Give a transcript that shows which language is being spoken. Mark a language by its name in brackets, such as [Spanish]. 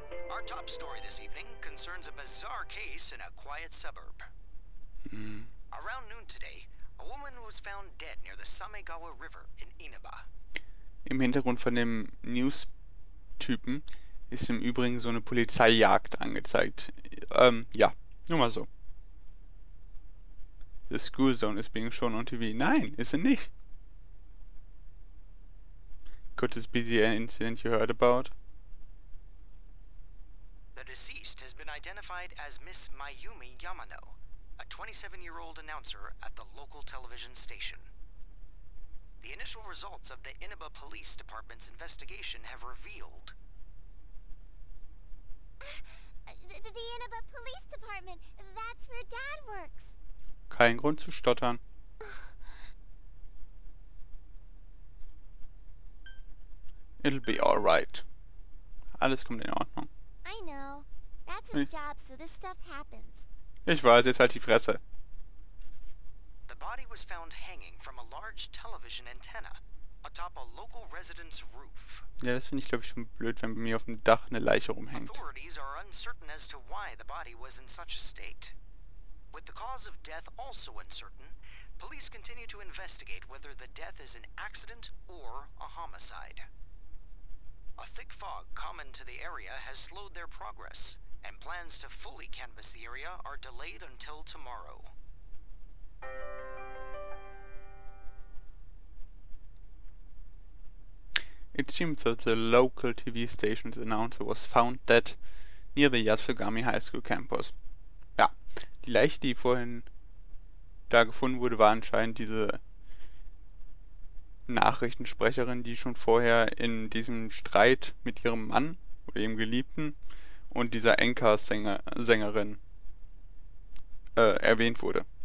[English] Our top story this evening concerns a bizarre case in a quiet suburb. Around noon today, a woman was found dead near the Samegawa River in Inaba. [German] Im Hintergrund von dem News-Typen ist im Übrigen so eine Polizeijagd angezeigt. Ja, nur mal so. [English] The school zone is being shown on TV. [German] Nein, ist sie nicht. [English] Could this be the incident you heard about? The deceased has been identified as Miss Mayumi Yamano, a 27-year-old announcer at the local television station. The initial results of the Inaba Police Department's investigation have revealed... The Inaba Police Department! That's where Dad works! [German] Kein Grund zu stottern. [English] It'll be alright. [German] Alles kommt in Ordnung. [English] I know. That's his job, so this stuff happens. [German] Ich weiß, jetzt halt die Fresse. [English] The body was found hanging from a large television antenna atop a local resident's roof. [German] Ja, das finde ich, glaube ich, schon blöd, wenn bei mir auf dem Dach eine Leiche rumhängt. [English] Authorities are uncertain as to why the body was in such a state. With the cause of death also uncertain, police continue to investigate whether the death is an accident or a homicide. A thick fog common to the area has slowed their progress, and plans to fully canvass the area are delayed until tomorrow. It seems that the local TV station's announcer was found dead near the Yasugami High School campus. [German] Ja, die Leiche, die vorhin da gefunden wurde, war anscheinend diese Nachrichtensprecherin, die schon vorher in diesem Streit mit ihrem Mann oder ihrem Geliebten und dieser Anchor-Sängerin erwähnt wurde.